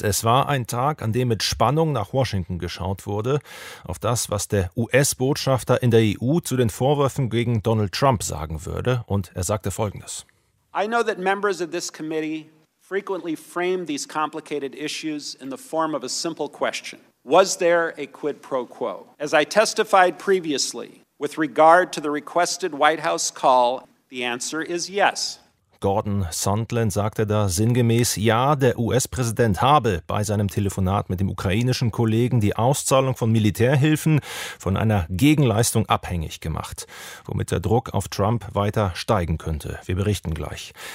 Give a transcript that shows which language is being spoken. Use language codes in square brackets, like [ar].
[de] Es war ein Tag, an dem mit Spannung nach Washington geschaut wurde, auf das, was der US-Botschafter in der EU zu den Vorwürfen gegen Donald Trump sagen würde. Und er sagte Folgendes. [en] I know that members of this committee frequently frame these complicated issues in the form of a simple question. Was there a quid pro quo? As I testified previously, with regard to the requested White House call, the answer is yes. [de] Gordon Sondland sagte da sinngemäß, ja, der US-Präsident habe bei seinem Telefonat mit dem ukrainischen Kollegen die Auszahlung von Militärhilfen von einer Gegenleistung abhängig gemacht, womit der Druck auf Trump weiter steigen könnte. Wir berichten gleich.